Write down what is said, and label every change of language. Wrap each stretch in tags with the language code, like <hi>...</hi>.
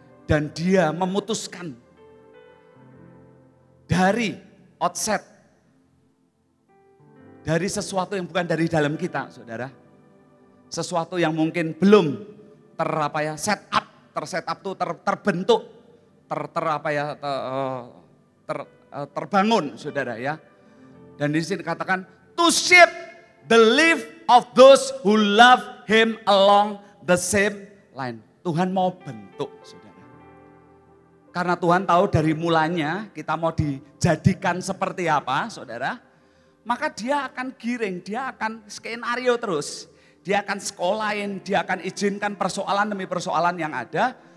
<id>Dan dia memutuskan dari outset, dari sesuatu yang bukan dari dalam kita, saudara. Sesuatu yang mungkin belum terbangun, saudara, ya. Dan di sini katakan</id> <en>to shape the life of those who love him along the same line.</en> <id>Tuhan mau bentuk, saudara. Karena Tuhan tahu dari mulanya kita mau dijadikan seperti apa, saudara. Maka dia akan giring, dia akan skenario terus. Dia akan sekolahin, dia akan izinkan persoalan demi persoalan yang ada.</id>